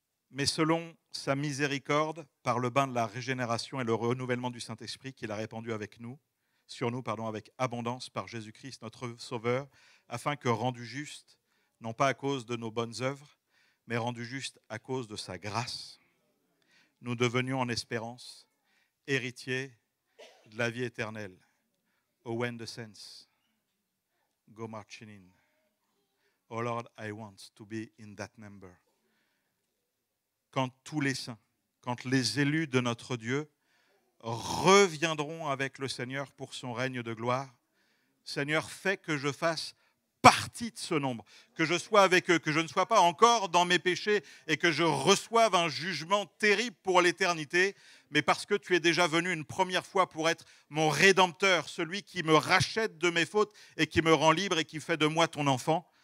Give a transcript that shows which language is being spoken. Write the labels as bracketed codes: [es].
[fr] Mais selon sa miséricorde, par le bain de la régénération et le renouvellement du Saint-Esprit qu'il a répandu avec nous, sur nous, pardon, avec abondance par Jésus-Christ, notre Sauveur, afin que rendus justes, non pas à cause de nos bonnes œuvres, mais rendus justes à cause de sa grâce, nous devenions en espérance héritiers de la vie éternelle. [en] Oh, when the saints go marching in. Oh Lord, I want to be in that number. [fr] Quand tous les saints, quand les élus de notre Dieu reviendront avec le Seigneur pour son règne de gloire, Seigneur, fais que je fasse partie de ce nombre, que je sois avec eux, que je ne sois pas encore dans mes péchés et que je reçoive un jugement terrible pour l'éternité, mais parce que tu es déjà venu une première fois pour être mon rédempteur, celui qui me rachète de mes fautes et qui me rend libre et qui fait de moi ton enfant.